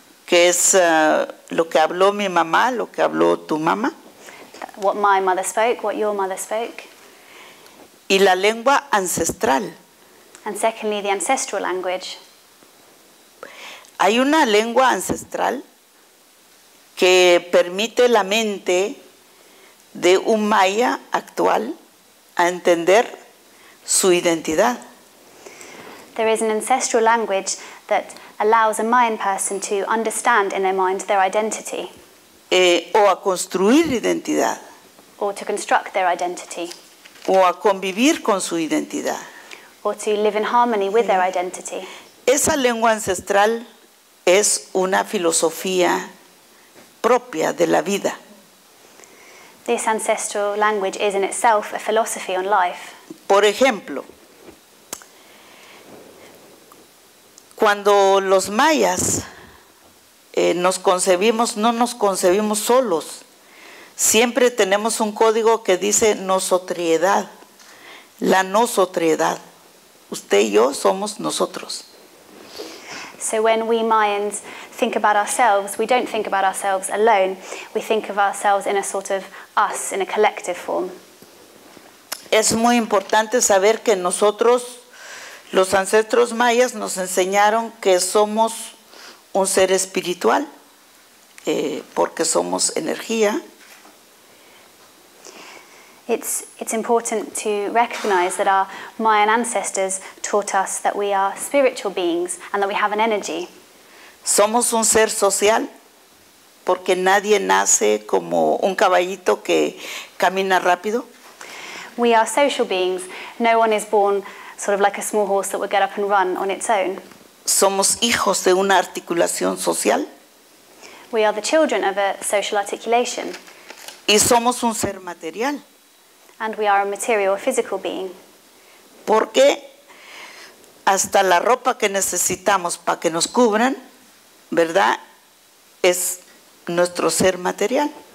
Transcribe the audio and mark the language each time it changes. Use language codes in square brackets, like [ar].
[es] Que es lo que habló mi mamá, lo que habló tu mamá. [en] What my mother spoke, what your mother spoke. [es] Y la lengua ancestral. [en] And secondly, the ancestral language. [es] Hay una lengua ancestral que permite la mente de un maya actual a entender su identidad. [en] There is an ancestral language that allows a Mayan person to understand in their mind their identity. [es] O a construir identidad. [en] Or to construct their identity. [es] O a convivir con su identidad. [en] Or to live in harmony with their identity. [es] Esa lengua ancestral es una filosofía propia de la vida. [en] This ancestral language is in itself a philosophy on life. [es] Por ejemplo, cuando los mayas nos concebimos, no nos concebimos solos, siempre tenemos un código que dice nosotriedad, la nosotriedad. Usted y yo somos nosotros. [en] So when we Mayans think about ourselves, we don't think about ourselves alone. We think of ourselves in a sort of us, in a collective form. [es] Es muy importante saber que nosotros, los ancestros mayas, nos enseñaron que somos un ser espiritual, porque somos energía. [en] It's important to recognize that our Mayan ancestors taught us that we are spiritual beings and that we have an energy. [es] Somos un ser social porque nadie nace como un caballito que camina rápido. [en] We are social beings. No one is born sort of like a small horse that would get up and run on its own. [es] Somos hijos de una articulación social. [en] We are the children of a social articulation. [es] Y somos un ser material. [en] And we are a material, a physical being. [es] Porque hasta la ropa que necesitamos para que nos cubran, ¿verdad?, es nuestro ser material.